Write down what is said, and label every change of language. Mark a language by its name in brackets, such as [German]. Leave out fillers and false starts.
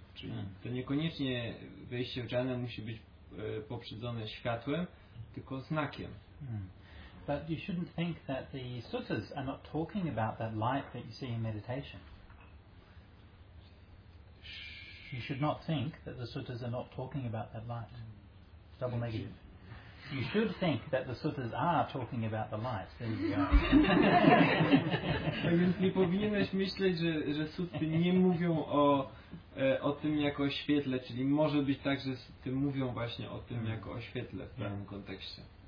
[Polish] Czyli to niekoniecznie wejście w dżanę musi być poprzedzone światłem, tylko znakiem. [English] But you shouldn't think that the suttas are not talking about that light that you see in meditation. You should not think that the suttas are not talking about that light. Double negative. You should think that the suttas are talking about the light. There you go. [Polish] Tak więc nie powinieneś myśleć, że sutry nie mówią o tym jako o świetle, czyli może być tak, że sutry mówią właśnie o tym jako o świetle w pewnym kontekście.